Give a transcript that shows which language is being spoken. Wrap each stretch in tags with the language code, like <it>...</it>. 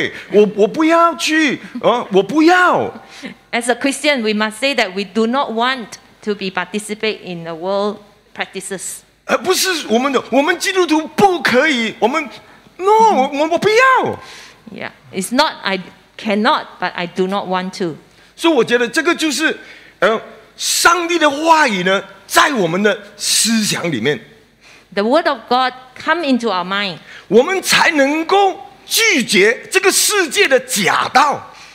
<zh>我觉得我们基督徒应该是自己说，我不要去卡拉OK，我不要去，我不要。</zh> <en>As a Christian, we must say that we do not want to be participate in the world practices.</en> <zh>而不是我们的，我们基督徒不可以，我们</zh> <en>no,</en> <zh>我不要。</zh> <en>Yeah, it's not I cannot, but I do not want to.</en> <zh>所以我觉得这个就是，上帝的话语呢，在我们的思想里面</zh> <en>，The word of God come into our mind，</en> <zh>我们才能够拒绝这个世界的假道</zh>